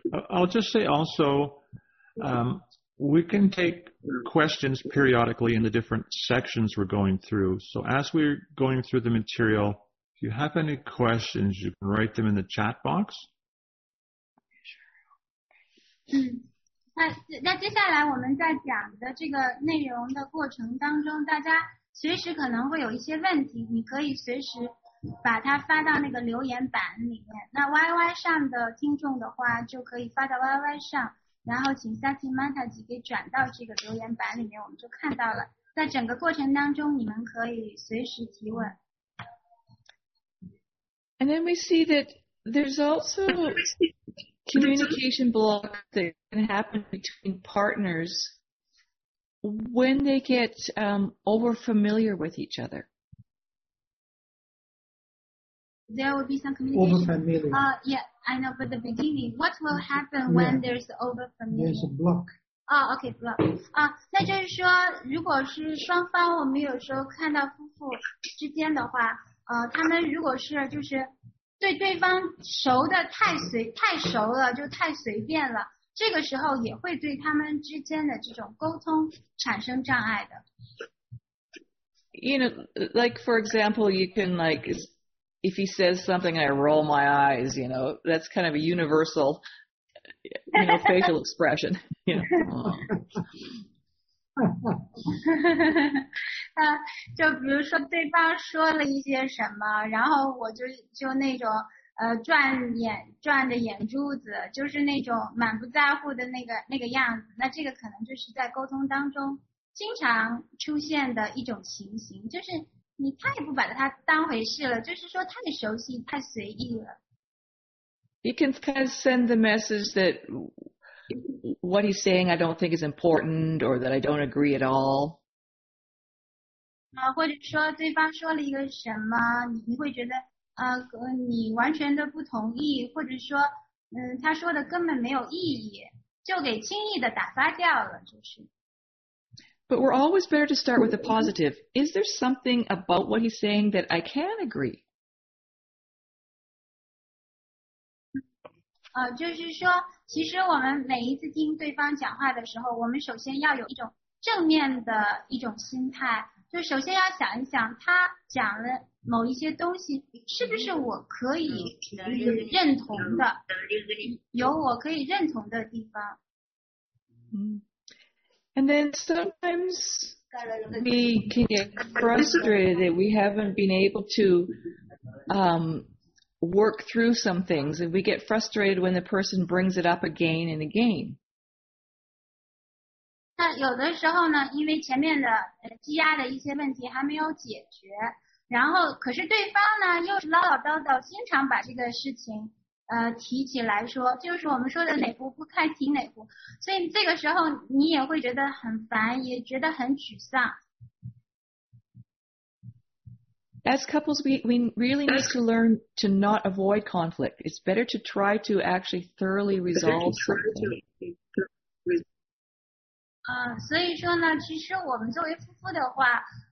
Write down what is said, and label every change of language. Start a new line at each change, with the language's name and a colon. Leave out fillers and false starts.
English: I'll just say also, we can take questions periodically in the different sections we're going through. So as we're going through the material, if you have any questions, you can write them in the chat box.
Chinese: 那接下来我们在讲的这个内容的过程当中，大家随时可能会有一些问题，你可以随时把它发到那个留言板里面。那 YY 上的听众的话，就可以发到 YY 上。然后请 Sati Mataji 给转到这个留言板里面，我们就看到了。在整个过程当中，你们可以随时提问。
English: And then we see that there's also communication block that can happen between partners when they get over familiar with each other. There will be some communication. I know, but the beginning, what will happen when there's over familiar? There's a block. Oh, okay, block.
Chinese: 那就是说，如果是双方，我们有时候看到夫妇之间的话，他们如果是就是对对方熟的太熟了，就太随便了，这个时候也会对他们之间的这种沟通产生障碍的。
English: You know, like for example, you can like. If he says something, I roll my eyes, you know, that's kind of a universal, you know, facial expression. Yeah.
Chinese: 就比如说对方说了一些什么，然后我就那种转着眼珠子，就是那种满不在乎的那个样子，那这个可能就是在沟通当中经常出现的一种情形，就是你太不把他当回事了，就是说太熟悉太随意了。
English: You can kind of send the message that what he's saying I don't think is important or that I don't agree at all.
Chinese: 或者说对方说了一个什么你会觉得你完全的不同意，或者说他说的根本没有意义，就给轻易的打发掉了就是。
English: But we're always better to start with a positive. Is there something about what he's saying that I can agree?
Chinese: 就是说，其实我们每一次听对方讲话的时候，我们首先要有一种正面的一种心态，就首先要想一想他讲了某一些东西，是不是我可以认同的，有我可以认同的地方。
English: And then sometimes we can get frustrated that we haven't been able to work through some things, and we get frustrated when the person brings it up again and again.
Chinese: 那有的时候呢，因为前面的积压的一些问题还没有解决，然后可是对方呢又是唠唠叨叨，经常把这个事情提起来说，就是我们说的哪壶不开提哪壶，所以这个时候你也会觉得很烦，也觉得很沮丧。
English: As couples, we really need to learn to not avoid conflict. It's better to try to actually thoroughly resolve something.
Chinese: 所以说呢，其实我们作为夫妇的话，